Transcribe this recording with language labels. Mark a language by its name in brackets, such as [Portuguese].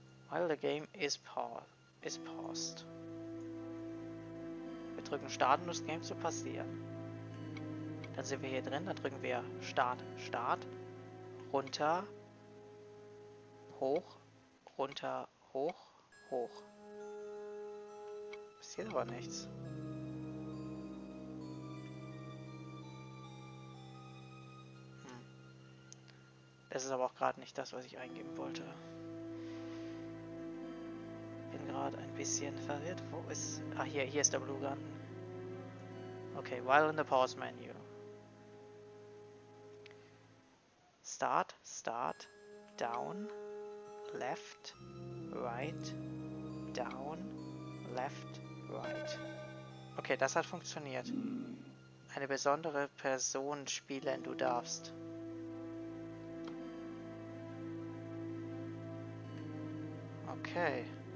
[English] While the game is paused. [German] Wir drücken Start, um das Game zu passieren. Dann sind wir hier drin, dann drücken wir Start, Start, runter, hoch, runter, hoch, hoch. Passiert aber nichts. Das ist aber auch gerade nicht das, was ich eingeben wollte. Bin gerade ein bisschen verwirrt. Wo ist... Ah, hier ist der Blue Gun. Okay, [English] while in the pause menu. Start, start, down, left, right, down, left, right. [German] Okay, das hat funktioniert. Eine besondere Person spielen, du darfst. Okay.